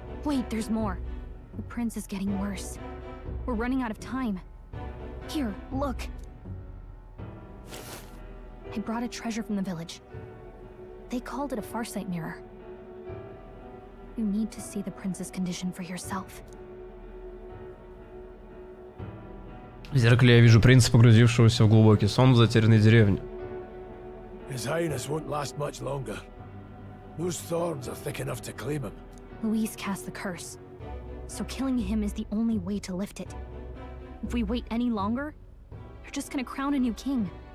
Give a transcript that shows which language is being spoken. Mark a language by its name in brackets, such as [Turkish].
[English] Wait, there's more. The prince is getting worse. We're running out of time. Here, look. I brought a treasure from the village. They called it a farsight mirror. You need to see the prince's condition for yourself. [Russian] В зеркале я вижу принца, погрузившегося в глубокий сон в затерянной деревне. [English] His highness won't last much longer. Those thorns are thick enough to claim him. Luis cast the curse, so killing him is the only way to lift it. If we wait any longer, you're just gonna crown a new king.